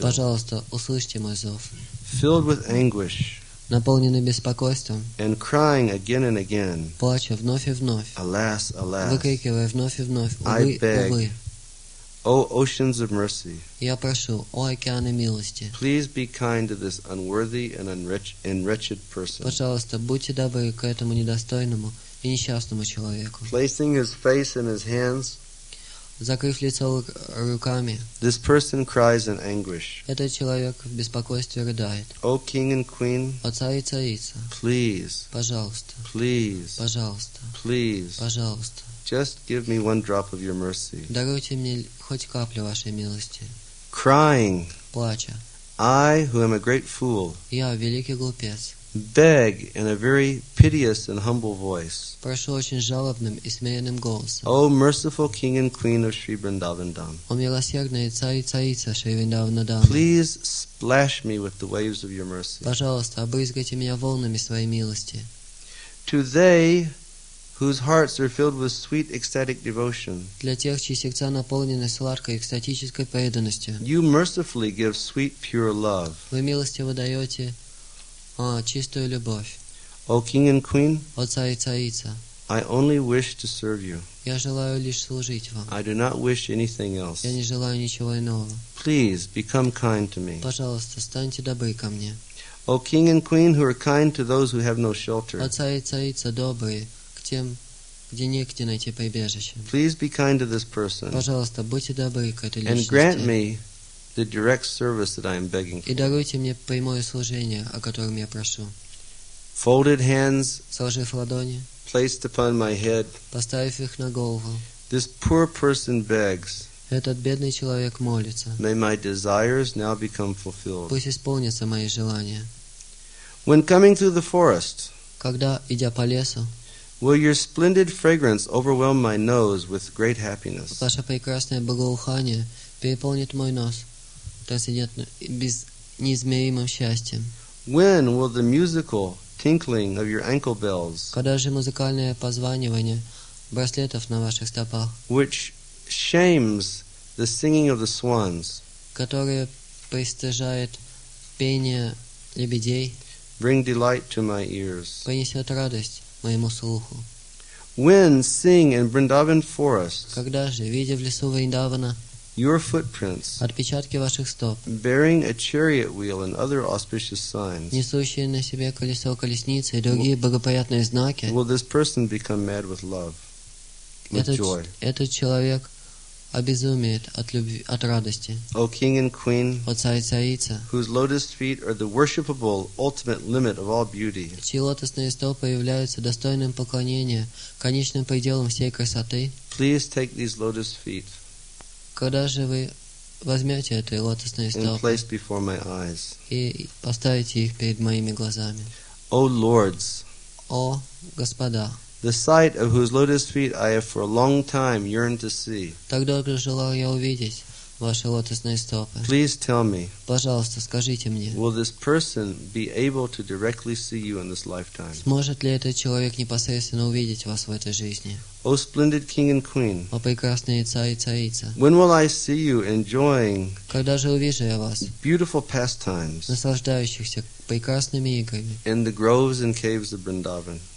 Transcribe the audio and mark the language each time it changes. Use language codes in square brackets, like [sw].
[ru] Пожалуйста, услышьте мой зов. [en] Filled with anguish. [ru] Наполненный беспокойством. [en] And crying again and again. [ru] Плача вновь и вновь. [en] Alas, alas. [ru] Выкрикивая вновь и вновь. Увы, [en] I beg, [ru] увы. [en] O oceans of mercy. [ru] Я прошу, о океаны милости. [en] Please be kind to this unworthy and wretched person. [ru] Пожалуйста, будьте добры к этому недостойному и несчастному человеку. [en] Placing his face in his hands. [ru] Закрыв лицо руками. [en] This person cries in anguish. [ru] Этот человек в беспокойстве рыдает. [en] O King and Queen. [ru] О царь и царица. [en] Please. [ru] Пожалуйста. [en] Please. [ru] Пожалуйста. [en] Please. [ru] Пожалуйста. [en] Just give me one drop of your mercy. [ru] Даруйте мне хоть каплю вашей милости. [en] Crying. [ru] Плача. [en] I, who am a great fool. [ru] Я великий глупец. [en] Beg in a very piteous and humble voice. [ru] Прошу очень жалобным и смиренным голосом. [en] O merciful King and Queen of Sri Vrindavan Dham. [ru] О милосердный царь и царица Шри Вриндавана Дхам. [en] Please splash me with the waves of your mercy. [ru] Пожалуйста, обрызгайте меня волнами своей милости. [en] To they whose hearts are filled with sweet ecstatic devotion. [ru] Для тех, чьи сердца наполнены сладкой экстатической преданностью. [en] You mercifully give sweet pure love. [ru] Вы милостиво даете чистую любовь. [en] O King and Queen. [ru] О царь и царица. [en] I only wish to serve you. [ru] Я желаю лишь служить вам. [en] I do not wish anything else. [ru] Я не желаю ничего иного. [en] Please become kind to me. [ru] Пожалуйста, станьте добры ко мне. [en] O king and queen who are kind to those who have no shelter. [ru] О царь и царица добрые к тем, где негде найти прибежище. [en] Please be kind to this person. [ru] Пожалуйста, будьте добры к этой личности. [en] And grant me the direct service that I am begging for. [ru] И даруйте мне прямое служение, о котором я прошу. [en] Folded hands. [ru] Сложив ладони. [en] Placed upon my head. [ru] Поставив их на голову. [en] This poor person begs. [ru] Этот бедный человек молится. [en] May my desires now become fulfilled. [ru] Пусть исполнятся мои желания. [en] When coming through the forest. [ru] Когда идя по лесу. [en] Will your splendid fragrance overwhelm my nose with great happiness? [ru] Ваше прекрасное благоухание переполнит мой нос, без неизмеримым счастьем. [en] When will the musical tinkling of your ankle bells? [ru] Когда же музыкальное позванивание браслетов на ваших стопах? [en] Which shames the singing of the swans? [ru] Которое пристыжает пение лебедей? [en] Bring delight to my ears. [ru] Принесет радость моему слуху. [en] When seeing in Vrindavan forest? [ru] Когда же, видя в лесу Вриндавана? [en] Your footprints, [ru] отпечатки ваших стоп, [en] bearing a chariot wheel and other auspicious signs, [ru] несущие на себе колесо колесницы и другие благоприятные знаки, [en] will this person become mad with love, with joy? [ru] Этот человек обезумеет от любви, от радости. [en] O king and queen, [ru] о царь и царица, [en] whose lotus feet are the worshipable ultimate limit of all beauty, [ru] чьи лотосные стопы являются достойным поклонения, конечным пределом всей красоты, [en] please take these lotus feet. [ru] Когда же вы возьмете эти лотосные стопы и поставите их перед моими глазами? [en] O lords, [ru] о господа, [en] the sight of whose lotus feet I have for a long time yearned to see. [ru] Так долго желал я увидеть ваши лотосные стопы. [en] Please tell me. [ru] Пожалуйста, скажите мне. [en] Will this person be able to directly see you in this lifetime? [ru] Сможет ли этот человек непосредственно увидеть вас в этой жизни? [en] O splendid king and queen. [ru] О прекрасные царь и царица. [en] When will I see you enjoying? [ru] Когда же увижу я вас? [en] Beautiful pastimes. [ru] Наслаждающихся прекрасными играми. [en] In the groves and caves of Vrindavan.